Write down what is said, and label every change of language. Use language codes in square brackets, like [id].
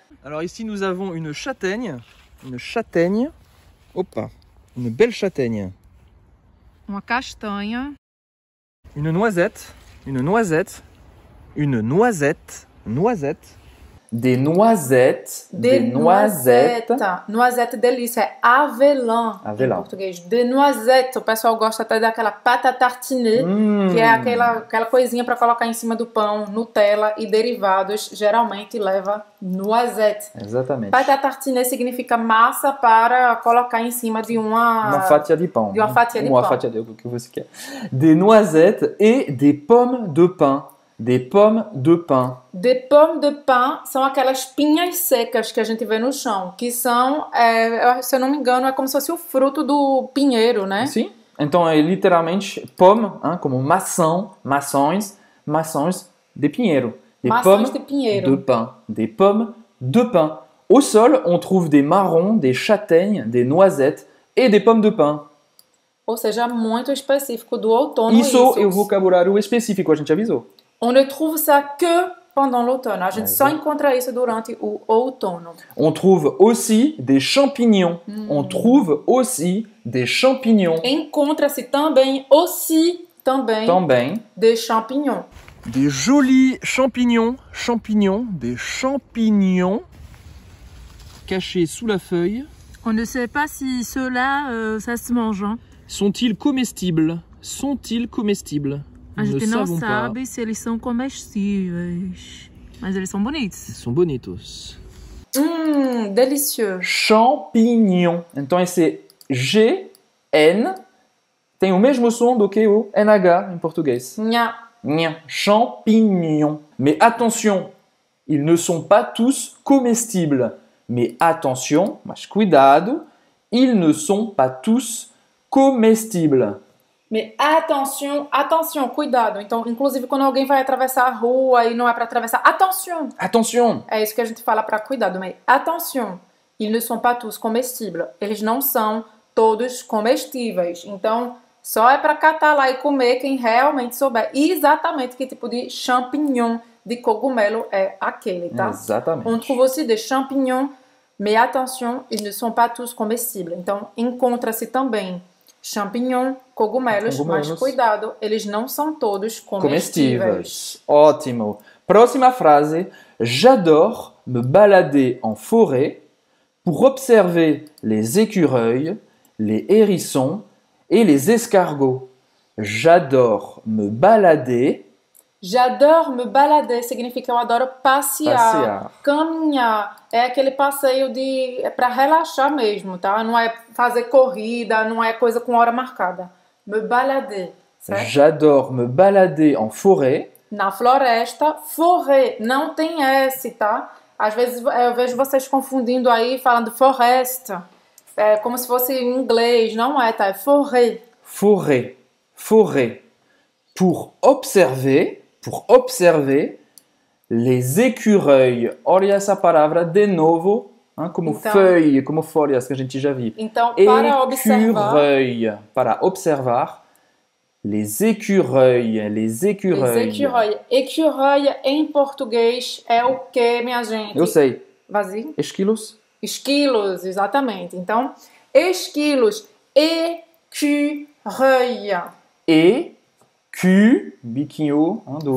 [fr] Alors, ici, nous avons une châtaigne. Une châtaigne. Opa! Une belle châtaigne. [pt] Uma castanha. [fr] Une noisette, une noisette, une noisette, noisette. Des noisettes, des noisettes. [pt] Noisette delícia, é avelã. Avelã. Em português. [fr] Des noisettes, [pt] o pessoal gosta até daquela [fr] pâte à tartiner, [pt] que é aquela coisinha para colocar em cima do pão, Nutella e derivados, geralmente leva noisette. Exatamente. [fr] Pâte à tartiner [pt] significa massa para colocar em cima de uma fatia de pão. De uma fatia de pão. Uma fatia de pão, o que você quer. [fr] Des noisettes et des pommes de pain. Des pommes de pin. Des pommes de pin [pt] são aquelas pinhas secas que a gente vê no chão, que são, se eu não me engano, é como se fosse o fruto do pinheiro, né? Sim. Então é literalmente pomme, hein, como maçã, maçãs, maçãs de pinheiro. Des maçãs pommes de pinheiro. [fr] De pin. Des pommes de pin. Au sol, on trouve des marrons, des châtaignes, des noisettes et des pommes de pin. [pt] Ou seja, muito específico do outono. Isso é o vocabulário específico, a gente avisou. On ne trouve ça que pendant l'automne. A gente só encontra isso durante o outono. [fr] On trouve aussi des champignons. On trouve aussi des champignons. [pt] Encontra-se também, [fr] aussi, [pt] também, também, [fr] des champignons. Des jolis champignons, champignons, des champignons cachés sous la feuille. On ne sait pas si ceux-là, ça se mange. Hein. Sont-ils comestibles? Sont-ils comestibles? [pt] A gente não sabe se eles são comestíveis, mas eles são bonitos. Eles são bonitos. Delicioso. [fr] Champignon. [pt] Então esse G, N, tem o mesmo som do que o NH em português. Nha. [fr] Nha. Champignon. Mais attention, ils ne sont pas tous comestibles. Mais attention, [pt] mas cuidado, [fr] ils ne sont pas tous comestibles. Mais attention, attention, [pt] cuidado. Então, inclusive, quando alguém vai atravessar a rua e não é para atravessar, attention. [fr] Attention. [pt] É isso que a gente fala para cuidado, mas attention. [fr] Ils ne sont pas tous comestibles. [pt] Eles não são todos comestíveis. Então, só é para catar lá e comer quem realmente souber exatamente que tipo de champignon de cogumelo é aquele, tá? Exatamente. [fr] On trouve aussi des champignons, mais attention, ils ne sont pas tous comestibles. [pt] Então, encontra-se também champignon, cogumelos, mas cuidado, eles não são todos comestíveis. Ótimo. Próxima frase. [fr] J'adore me balader en forêt pour observer les écureuils, les hérissons et les escargots. J'adore me balader. J'adore me balader [pt] significa eu adoro passear. Caminhar é aquele passeio de é para relaxar mesmo, tá? Não é fazer corrida, não é coisa com hora marcada. Me balader, certo? [fr] J'adore me balader en forêt. [pt] Na floresta, forêt, não tem S, tá? Às vezes eu vejo vocês confundindo aí, falando forest. É como se fosse em inglês, não é, tá? É forêt. [fr] Forêt, forêt. Pour observer les écureuils. [pt] Olha essa palavra de novo, hein, como então, feuille, como folhas que a gente já viu. Então, para écureuil, observar. Para observar. [fr] Les écureuils, les écureuils. Les écureuils. [pt] Écureuil em português é o que, minha gente? Eu sei. Vazio? Esquilos. Esquilos, exatamente. Então, esquilos. [fr] Écureuil. [pt] E, Q, biquinho. Hein, do